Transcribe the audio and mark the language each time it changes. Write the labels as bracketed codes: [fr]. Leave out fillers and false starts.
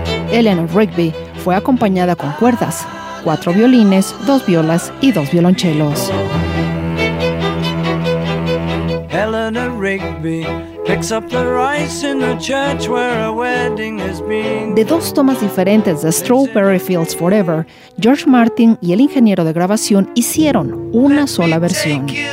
[es] Eleanor Rigby fue acompañada con cuerdas, 4 violines, 2 violas y 2 violonchelos. [en] Eleanor Rigby picks up the rice in the church where a wedding has been. [es] De 2 tomas diferentes de Strawberry Fields Forever, George Martin y el ingeniero de grabación hicieron una sola versión.